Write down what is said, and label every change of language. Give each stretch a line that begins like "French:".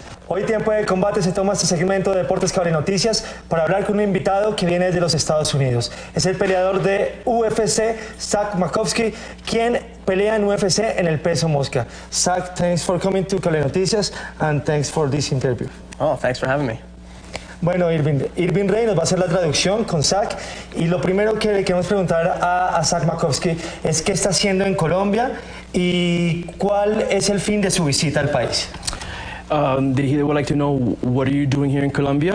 Spanish: Hoy Tiempo de Combate se toma este segmento de Deportes Cable Noticias para hablar con un invitado que viene de los Estados Unidos. Es el peleador de UFC, Zach Makovsky, quien pelea en UFC en el peso mosca.
English: Zach, thanks for coming to Cable Noticias and thanks for this interview. Oh, thanks for having me.
Spanish: Bueno, Irving Rey nos va a hacer la traducción con Zach. Y lo primero que le queremos preguntar a Zach Makovsky es qué está haciendo en Colombia y cuál es el fin de su visita al país.
English: The heat would like to know, what are you doing here in Colombia?